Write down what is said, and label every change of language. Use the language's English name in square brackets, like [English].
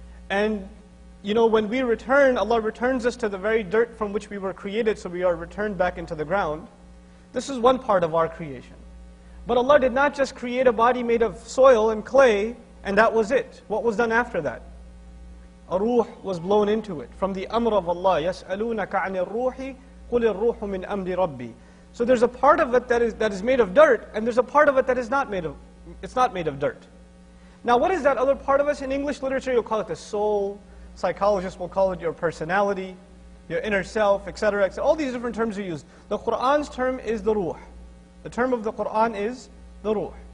[English] And you know, when we return, Allah returns us to the very dirt from which we were created, so we are returned back into the ground. This is one part of our creation. But Allah did not just create a body made of soil and clay, and that was it. What was done after that? A ruh was blown into it. From the amr of Allah, [Arabic] يَسْأَلُونَكَ عَنِ الرُّوحِ قُلِ الرُّوحُ مِنْ أَمْرِ رَبِّي. [English] So there's a part of it that is made of dirt, and there's a part of it that is not made of, it's not made of dirt. Now what is that other part of us? In English literature you'll call it the soul. Psychologists will call it your personality, your inner self, etc. All these different terms are used. The Qur'an's term is the ruh. The term of the Qur'an is the ruh.